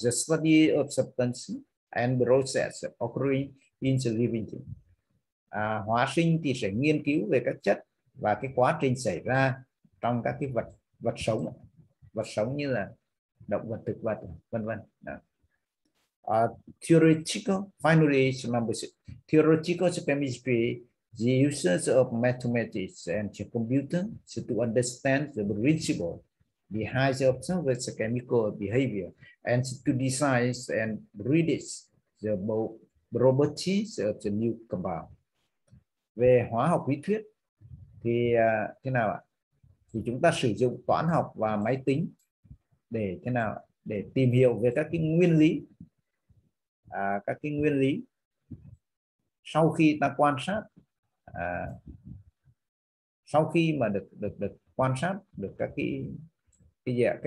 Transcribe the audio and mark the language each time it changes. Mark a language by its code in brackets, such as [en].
[en] The study of substance and process occurring in the living thing. [vi] Hóa sinh thì sẽ nghiên cứu về các chất và cái quá trình xảy ra trong các cái vật vật sống, vật sống như là động vật, thực vật, vân vân. [en] Theoretical, finally, number six. Theoretical chemistry, the uses of mathematics and computer to understand the principle behind the observed chemical behavior and to design and predict the properties of the new compound. [vi] Về hóa học lý thuyết thì thế nào ạ? Thì chúng ta sử dụng toán học và máy tính để thế nào ạ? Để tìm hiểu về các cái nguyên lý, các cái nguyên lý. Sau khi ta quan sát, sau khi mà được được được quan sát được các cái gì ạ?